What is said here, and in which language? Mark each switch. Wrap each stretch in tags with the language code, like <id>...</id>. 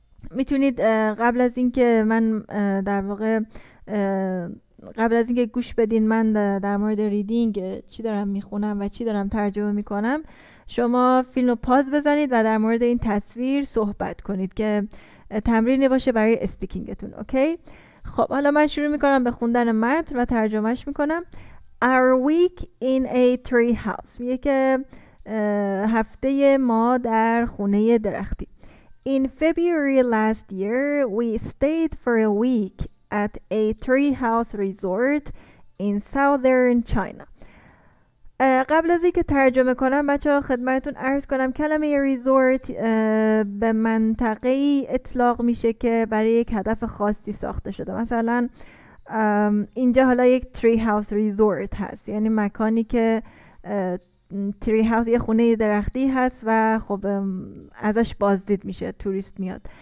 <fa>میتونید قبل از اینکه من در واقع قبل از اینکه گوش بدین من در مورد ریدینگ چی دارم میخونم و چی دارم ترجمه میکنم، شما فیلم رو پاز بزنید و در مورد این تصویر صحبت کنید که تمرین باشه برای اسپیکینگتون. اوکی؟ خب حالا من شروع میکنم به خوندن متن و ترجمهش میکنم.</fa> <en>Are we in a tree house؟</en> <fa>میگه که هفته ما در خونه درختی.</fa> <en>In February last year, we stayed for a week at a treehouse resort in southern China.</en> <fa>قبل از اینکه ترجمه کنم بچه ها خدمتون عرض کنم کلمه resort به منطقه ای اطلاق میشه که برای یک هدف خاصی ساخته شده. مثلا اینجا حالا یک treehouse resort هست، یعنی مکانی که تری هاوس یه خونه درختی هست و خب ازش بازدید میشه، توریست میاد.</fa>